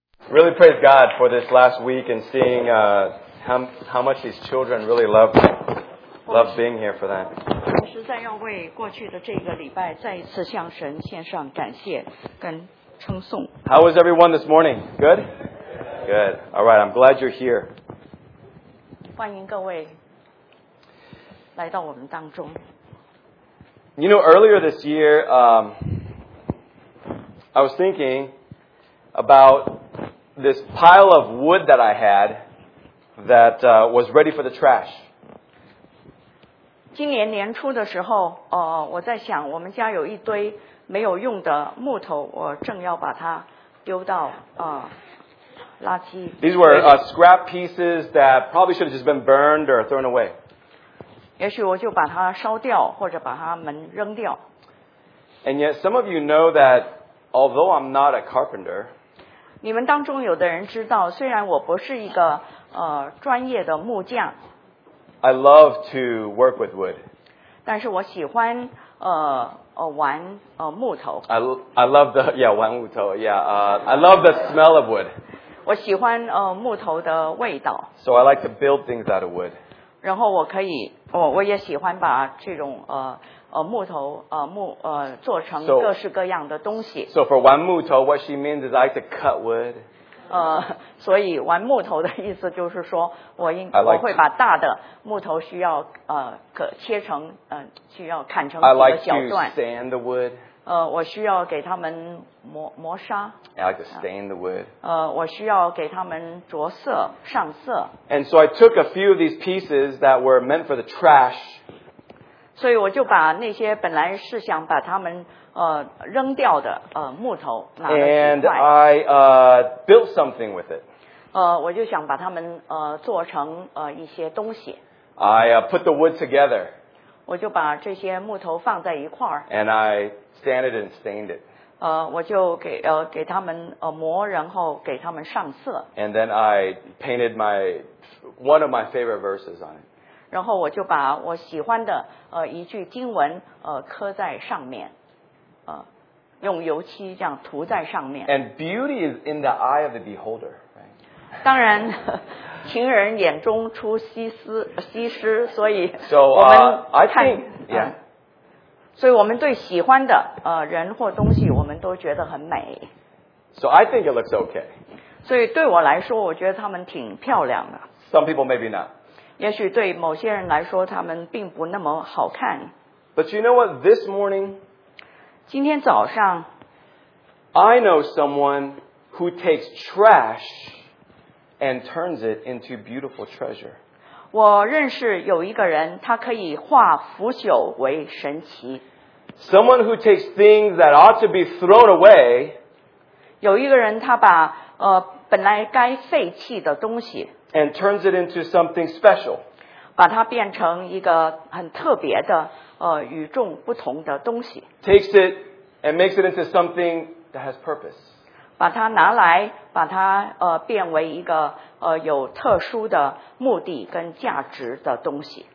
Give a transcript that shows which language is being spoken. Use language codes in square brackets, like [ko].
[en] Really praise God for this last week and seeing how much these children really love being here for that. [zh] 我实在要为过去的这个礼拜再一次向神献上感谢跟称颂。 [en] How was everyone this morning? Good? Good. All right, I'm glad you're here. [zh] 欢迎各位来到我们当中。 [en] You know, earlier this year, I was thinking about this pile of wood that I had that was ready for the trash. [zh] 今年年初的时候, 我在想我们家有一堆没有用的木头, 我正要把它丢到, 垃圾。 [en] These were scrap pieces that probably should have just been burned or thrown away. [zh] 也许我就把它烧掉, 或者把它们扔掉。 [en] And yet some of you know that although I'm not a carpenter, [zh] 你们当中有的人知道, 虽然我不是一个, 专业的木匠, [en] I love to work with wood. [zh] 但是我喜欢, 玩, [en] I love the, yeah, [zh] 玩木头, [en] yeah, I love the smell of wood. [zh] 我喜欢, 木头的味道, [en] so I like to build things out of wood. [zh] 然后我可以, 我也喜欢把这种, 木头, 木, 做成各式各样的东西。 [en] So for [zh] 玩木头, [en] what she means is I like to cut wood. [zh] 所以玩木头的意思就是说, 我会把大的木头需要, 切成, 需要砍成小段。 [en] I like to sand the wood. [zh] 我需要给他们磨砂。 [en] I like to stain the wood. [zh] 我需要给他们着色, 上色。 [en] And so I took a few of these pieces that were meant for the trash. [zh] 所以我就把那些本来是想把他们, 扔掉的, 木头, [en] and I built something with it. [zh] 我就想把他们, 做成, 一些东西。 [en] I put the wood together. [zh] 我就把这些木头放在一块儿, [en] and I sanded and stained it. [zh] 我就给, 给他们, 磨, 然后给他们上色。 [en] And then I painted my one of my favorite verses on it. [zh] 然后我就把我喜欢的, 一句经文, 刻在上面, 用油漆这样涂在上面。 [en] And beauty is in the eye of the beholder, right? [zh] 当然, 情人眼中出西施, 所以, 我们看, [en] I think, yeah. [zh] 所以我们对喜欢的, 人或东西, 我们都觉得很美。 [en] So I think it looks okay. [zh] 所以对我来说, 我觉得他们挺漂亮的。 [en] Some people maybe not. [zh] 也许对某些人来说, 他们并不那么好看。 [en] But you know what? This morning, [zh] 今天早上, [en] I know someone who takes trash and turns it into beautiful treasure. [zh] 我认识有一个人, 他可以化腐朽为神奇。 [en] Someone who takes things that ought to be thrown away, [zh] 有一个人, 他把, 本来该废弃的东西, [en] and turns it into something special. [zh] 把它变成一个很特别的, 与众不同的东西。 [en] Takes it and makes it into something that has purpose. [zh] 把它拿来, 把它, 变为一个, 有特殊的目的跟价值的东西。